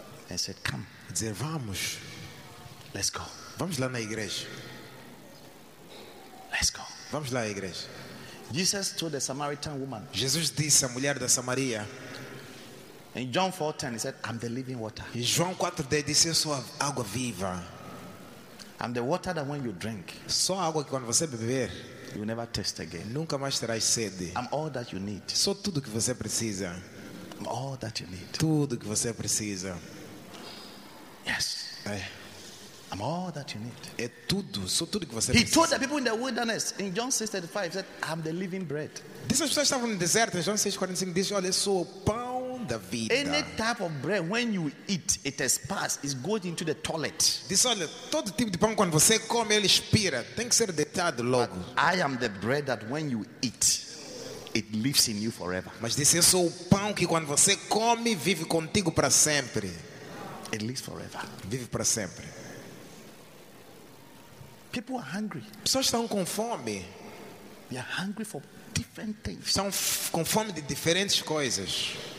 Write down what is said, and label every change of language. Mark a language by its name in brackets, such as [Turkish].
[English] And said, come. [Portuguese] Dizer, vamos. [English] Let's go. [Portuguese] Vamos lá na igreja. [English] Let's go. [Portuguese] Vamos lá à igreja. [English] Jesus told the Samaritan woman. [Portuguese] Jesus disse à mulher da Samaria. [English] In John 4:10 he said, I'm the living water. [Portuguese] Em João 4:10 disse, eu sou a água viva. [English] I'm the water that when you drink, [Portuguese] só a água que quando você beber, [English] you never thirst again. [Portuguese] Nunca mais terás sede. [English] I'm all that you need. [Portuguese] Sou tudo que você precisa. [English] I'm all that you need. [Portuguese] Tudo que você precisa. [English] Yes. [Portuguese] É. [English] I'm all that you need. [Portuguese] É tudo, sou tudo que você [English] he [Portuguese] precisa. [English] Told the people in the wilderness in John 6:35, he said, I'm the living bread. [Portuguese] Disse as pessoas estavam no deserto, em João 6:45, disse, olha, sou o pão da vida. [English] Any type of bread, when you eat, it expires, it goes into the toilet. [Portuguese] Disse, olha, todo tipo de pão, quando você come, ele expira. Tem que ser deitado logo. [English] But I am the bread that when you eat, it lives in you forever. [Portuguese] Mas disse, eu sou o pão que quando você come, vive contigo para sempre. [English] It lives forever. [Portuguese] Vive para sempre. [English] People are hungry. [Portuguese] Pessoas estão com fome. [English] They are hungry for different things. [Portuguese] Estão com fome de diferentes coisas.